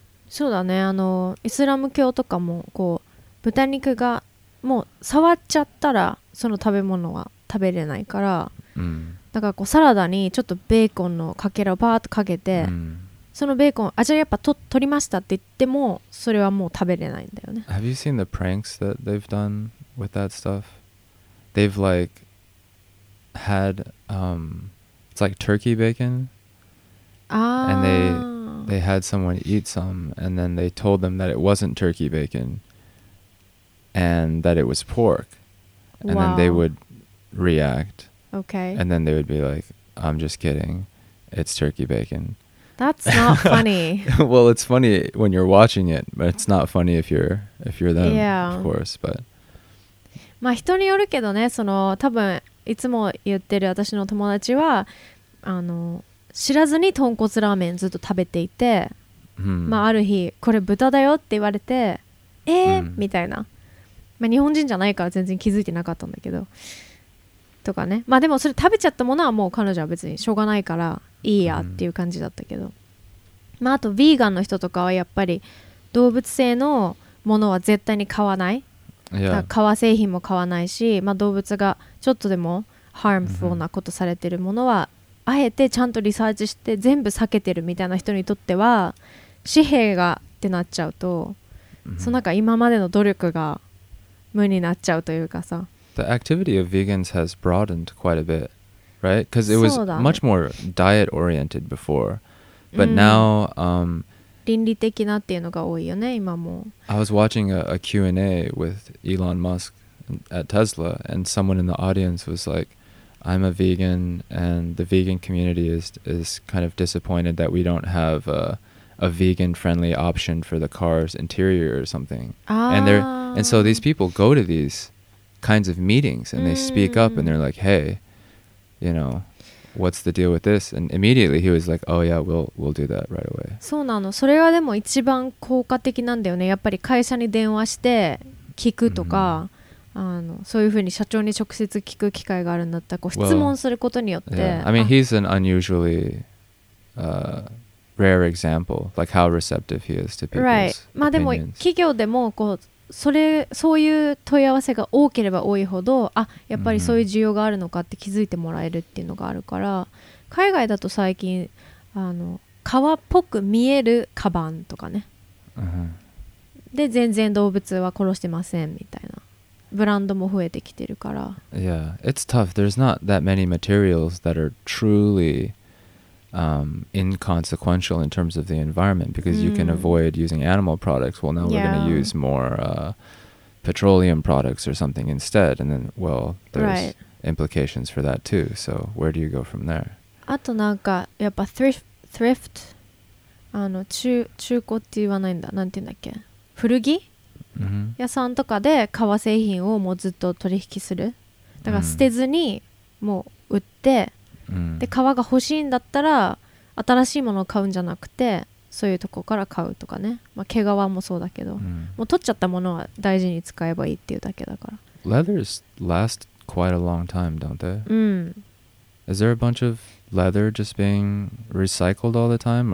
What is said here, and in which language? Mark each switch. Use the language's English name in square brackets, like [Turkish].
[Japanese] そうだね。あの、イスラム教とかもこう、豚肉がもう触っちゃったらその食べ物は食べれないから、だからこうサラダにちょっとベーコンのかけらをパーッとかけて、そのベーコン、あ、じゃあやっぱ取りましたって言っても、それはもう食べれないんだよね。 [English] Have you seen the pranks that they've done with that stuff? They've like had, it's like turkey bacon. Ah. And they had someone eat some, and then they told them that it wasn't turkey bacon, and that it was pork. And then they would react. Okay. And then they would be like, I'm just kidding, it's turkey bacon. That's not funny. Well, it's funny when you're watching it, but it's not funny if you're them, yeah. Of course. But, [Japanese] まあ人によるけどね。その多分いつも言ってる私の友達は、あの、知らずに豚骨ラーメンずっと食べていて、まあある日これ豚だよって言われて、みたいな。まあ日本人じゃないから全然気づいてなかったんだけど、とかね。まあでもそれ食べちゃったものはもう彼女は別にしょうがないから。いいやっていう感じだったけど、まああとヴィーガンの人とかはやっぱり動物性のものは絶対に買わない、 [English] yeah. [Japanese] 革製品も買わないし、まあ動物がちょっとでもハームフルなことされてるものは、mm-hmm. あえてちゃんとリサーチして全部避けてるみたいな人にとっては紙幣がってなっちゃうと、そのなんか今までの努力が無になっちゃうというかさ。 [English] The activity of vegans has broadened quite a bitRight? Because it was much more diet oriented before. But now, [Japanese] 倫理的なっていうのが多いよね、今も。 [English] I was watching a Q&A with Elon Musk at Tesla, and someone in the audience was like, I'm a vegan, and the vegan community is kind of disappointed that we don't have a vegan friendly option for the car's interior or something. And so these people go to these kinds of meetings and they speak up and they're like, hey, you know, what's the deal with this? And immediately he was like, oh yeah, we'll do that right away. [Japanese] そうなの。それはでも一番効果的なんだよね。やっぱり会社に電話して聞くとか、あの、そういうふうに社長に直接聞く機会があるんだったら、こう質問することによって。 [English] Well, yeah. I mean, he's an unusually rare example, like how receptive he is to people's opinions. Right. [Japanese] まあでも企業でもこう、そういう問い合わせが多ければ多いほど、あ、やっぱりそういう需要があるのかって気づいてもらえるっていうのがあるから、海外だと最近、あの、革っぽく見えるカバンとかね。で、全然動物は殺してませんみたいな。ブランドも増えてきてるから。 [English] Yeah, it's tough. There's not that many materials that are truly inconsequential in terms of the environment because you can avoid using animal products. Well, now we're going to use more petroleum products or something instead. And then, well, there's implications for that too. So where do you go from there? [Japanese] あとなんかやっぱthrift、あの中古って言わないんだ。なんて言うんだっけ？古着？ Mm-hmm. 屋さんとかで革製品をもうずっと取引するだから捨てずにもう売って、で革が欲しいんだったら新しいものを買うんじゃなくてそういうとこから買うとかね、まあ、毛皮もそうだけど、もう取っちゃったものは大事に使えばいいっていうだけだから [English] Leathers last quite a long time, don't they? Is there a bunch of leather just being recycled all the time?